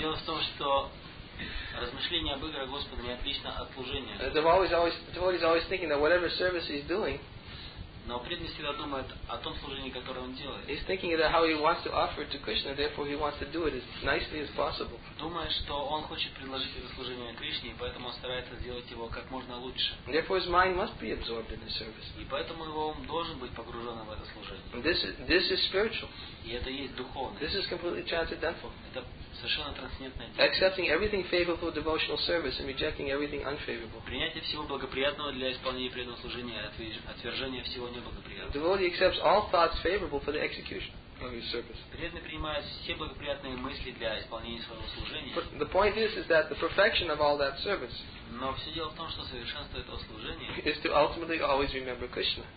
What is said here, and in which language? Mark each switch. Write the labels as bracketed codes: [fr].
[ru] Дело в том, что размышления об играх Господа не отлично от служения. [en] Devotee is always thinking that whatever service he's doing, [ru] Но преданный всегда думает о том служении, которое он делает. [en] He's thinking about how he wants to offer it to Krishna, therefore he wants to do it as nicely as possible. [ru] Думает, что он хочет предложить это служение Кришне, и поэтому он старается сделать его как можно лучше. [en] Therefore his mind must be absorbed in the service. [ru] И поэтому его ум должен быть погружен в это служение. [en] This is spiritual. [ru] И это есть духовное. [en] This is completely transcendental. [ru] Это совершенно трансцендентное. [en] Accepting everything favorable for devotional service and rejecting everything unfavorable. [ru] Принятие всего благоприятного для исполнения преданного служения, отвержение всего неблагоприятного. [en] Devotee accepts all thoughts favorable for the execution of his service. [ru] Преданный принимает все благоприятные мысли для исполнения своего служения. [en] But the point is that the perfection of all that service. [ru] Но все дело в том, что совершенство этого служения. [en] Is to ultimately always remember Krishna.